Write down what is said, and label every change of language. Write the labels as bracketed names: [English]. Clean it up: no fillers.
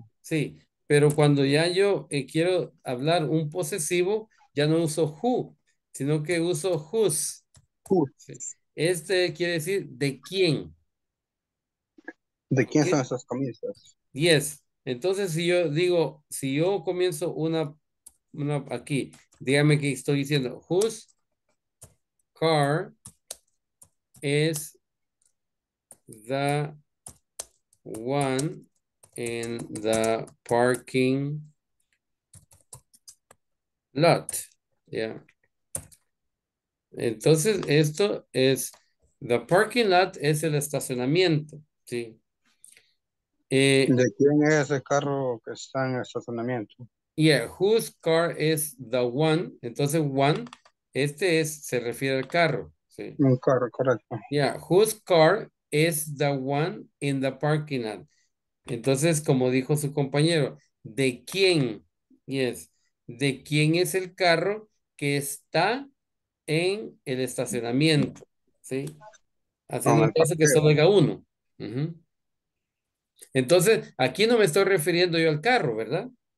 [Spanish] Sí, pero cuando ya yo quiero hablar un posesivo, ya no uso who, sino que uso whose. [English] Whose. [Spanish] Este quiere decir de quién. ¿De quién son esas camisas? [English] Yes. [Spanish] Entonces, si yo digo, si yo comienzo una aquí, dígame qué estoy diciendo. [English] Whose car is the one in the parking lot? [Spanish] Yeah. Entonces, esto es, [English] the parking lot [Spanish] es el estacionamiento. Sí. ¿De quién es el carro que está en el estacionamiento? [English] Yeah, whose car is the one? [Spanish] Entonces, one, este es, se refiere al carro. Sí. Un carro, correcto. [English] Yeah, whose car is the one in the parking lot? [Spanish] Entonces, como dijo su compañero, ¿de quién? Yes, ¿de quién es el carro que está en el estacionamiento? Sí. Haciendo el caso que solo haya uno. Entonces, aquí no me estoy refiriendo yo al carro, ¿verdad?